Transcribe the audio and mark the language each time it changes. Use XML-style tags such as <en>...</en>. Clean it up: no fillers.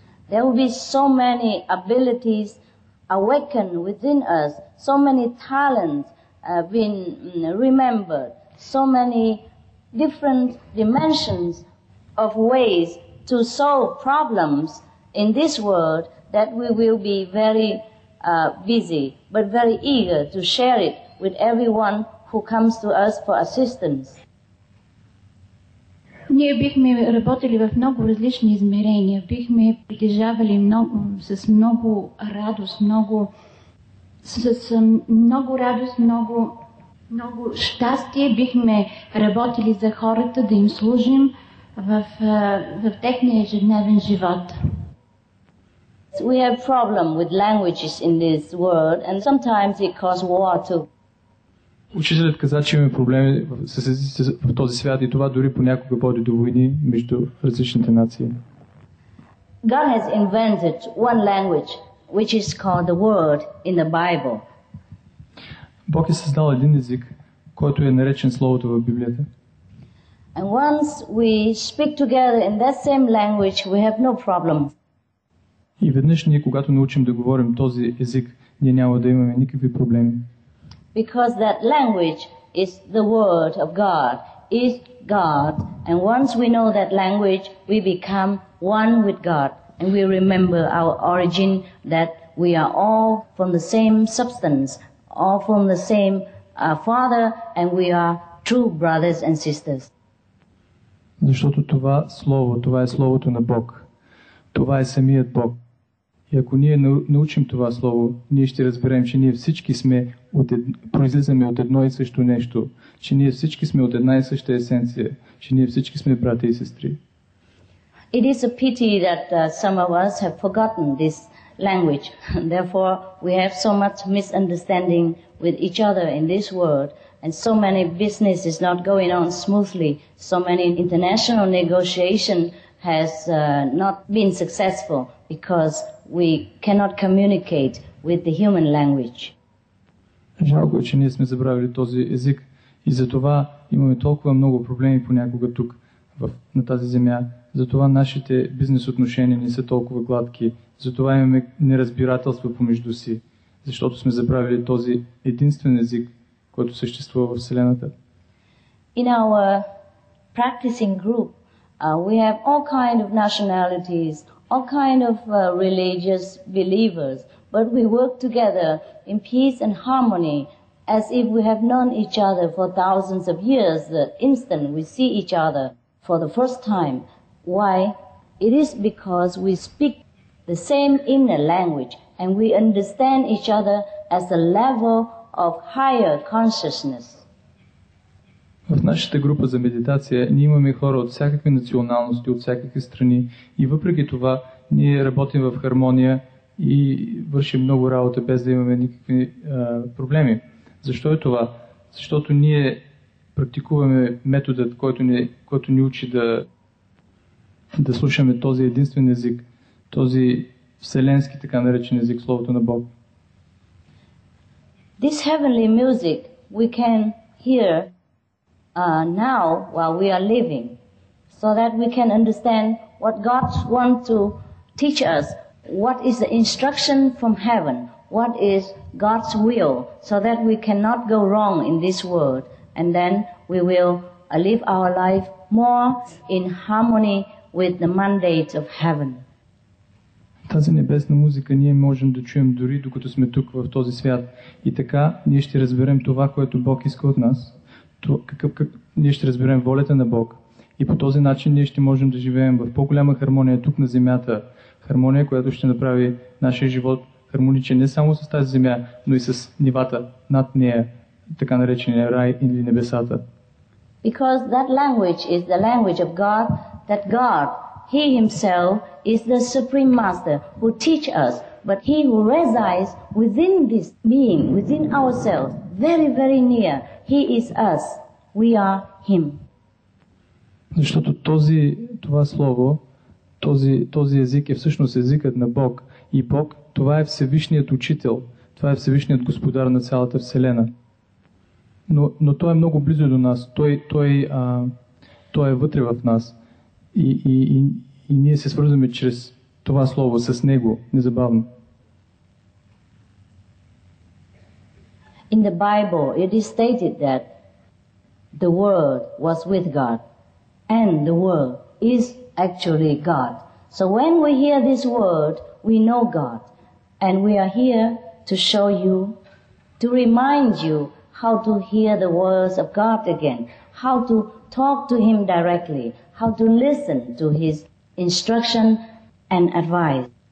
<en>There will be so many abilities awakened within us, so many talents been remembered, so many different dimensions of ways to solve problems in this world that we will be very busy, but very eager to share it with everyone who comes to us for assistance.</en> <bg>Ние бихме работили в много различни измерения, бихме притежавали много, с много радост, много щастие, бихме работили за хората да им служим в техния ежедневен живот.</bg> <en>So we have problem with languages in this world and sometimes it causes war too.</en> <bg>Учителят каза, че имаме проблеми с езиците в този свят и това дори понякога води до войни между различните нации.</bg> <en>God has invented one language, which is called the word in the Bible.</en> <bg>Бог е създал един език, който е наречен Словото в Библията.</bg> <en>And once we speak together in that same language, we have no problem.</en> <bg>И веднъж ние, когато научим да говорим този език, ние няма да имаме никакви проблеми.</bg> <en>Because that language is the word of God, is God, and once we know that language, we become one with God, and we remember our origin, that we are all from the same substance, all from the same Father, and we are true brothers and sisters.</en> <bg>Защото това слово, това е словото на Бог. Това е самият Бог. И ако ние научим това слово, ние ще разберем, че ние всички сме произлизаме от едно и също нещо, че ние всички сме от една и съща есенция, че ние всички сме брати и сестри.</bg> <en>It is a pity that some of us have forgotten this language. Therefore, we have so much misunderstanding with each other in this world, and so many business is not going on smoothly, so many international negotiation has not been successful because we cannot communicate with the human language.</en> <bg>Жалко е, че ние сме забравили този език и затова имаме толкова много проблеми понякога тук, на тази земя. Затова нашите бизнес отношения не са толкова гладки. Затова имаме неразбирателство помежду си, защото сме забравили този единствен език, който съществува в Вселената.</bg> <en>In our practicing group, we have all kind of nationalities, all kind of religious believers, but we work together in peace and harmony as if we have known each other for thousands of years, the instant we see each other for the first time. Why? It is because we speak the same inner language and we understand each other as a level of higher consciousness.</en> <bg>В нашата група за медитация ние имаме хора от всякакви националности, от всякакви страни и въпреки това ние работим в хармония и вършим много работа без да имаме никакви проблеми. Защо е това? Защото ние практикуваме методът, който ни учи да слушаме този единствен език, този вселенски така наречен език, Словото на Бог.</bg> <en>This heavenly music we can hear now while we are living, so that we can understand what God wants to teach us, what is the instruction from heaven, what is God's will, so that we cannot go wrong in this world, and then we will live our life more in harmony with the mandate of heaven.</en> <bg>Тази небесна музика ние можем да чуем дори докато сме тук в този свят. И така ние ще разберем това, което Бог иска от нас. Ние ще разберем волята на Бог. И по този начин ние ще можем да живеем в по-голяма хармония тук на земята. Хармония, която ще направи нашия живот хармоничен не само с тази земя, но и с нивата над нея, така наречения рай или небесата.</bg> <en>Because that language is the language of God, that God, He Himself, is the Supreme Master who teach us, but He who resides within this being, within ourselves, very, very near, He is us, we are Him.</en> <bg>Защото това слово, този език е всъщност езикът на Бог. И Бог, това е Всевишният Учител, това е Всевишният Господар на цялата Вселена. Но Той е много близо до нас, Той е вътре в нас. И ние се свързваме чрез това слово с Него, незабавно.</bg> <en>In the Bible, it is stated that the Word was with God, and the Word is actually God. So when we hear this Word, we know God, and we are here to show you, to remind you how to hear the words of God again, how to talk to Him directly, how to listen to His instruction and advice.</en>